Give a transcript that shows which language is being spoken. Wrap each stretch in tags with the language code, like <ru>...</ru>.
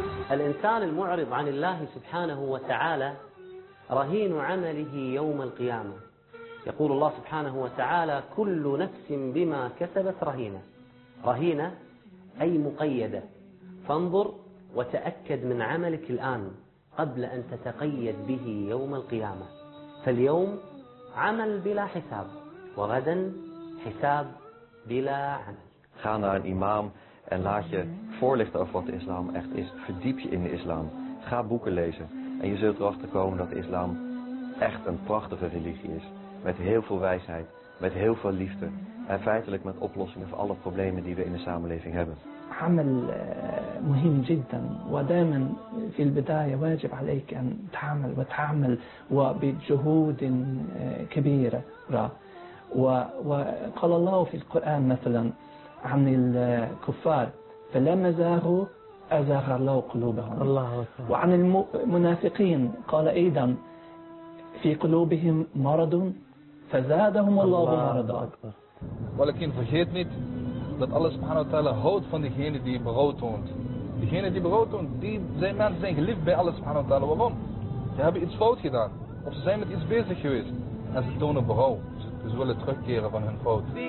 <ar>الإنسان المعرض عن الله سبحانه وتعالى رهين عمله يوم القيامة يقول الله سبحانه وتعالى كل نفس بما كسبت رهينة رهينة أي مقيدة فانظر وتأكد من عملك الآن قبل أن تتقيد به يوم القيامة فاليوم عمل بلا حساب وغدا حساب بلا عمل خانا الإمام</ar> <nl>En laat je voorlichten over wat de islam echt is. Verdiep je in de islam. Ga boeken lezen. En je zult erachter komen dat de islam echt een prachtige religie is. Met heel veel wijsheid. Met heel veel liefde. En feitelijk met oplossingen voor alle problemen die we in de samenleving hebben.</nl> <ar>عمل مهم جدا، ودائما في البداية واجب عليك أن تعمل وتعمل وبجهود كبيرة. وقال الله في القرآن مثلا عن الكفار: فلما زاغوا أزاغ الله قلوبهم. الله. وعن المنافقين قال أيضا: في قلوبهم مرض فزادهم الله مرضا. ولكن فشيت نت</ar> <nl>dat Allah subhanahu wa ta'ala houdt van diegene die berouw toont. Diegene die berouw toont, zijn mensen zijn geliefd bij Allah subhanahu wa ta'ala. Waarom? Ze hebben iets fout gedaan. Of ze zijn met iets bezig geweest. En ze tonen berouw. Ze willen terugkeren van hun fout.</nl>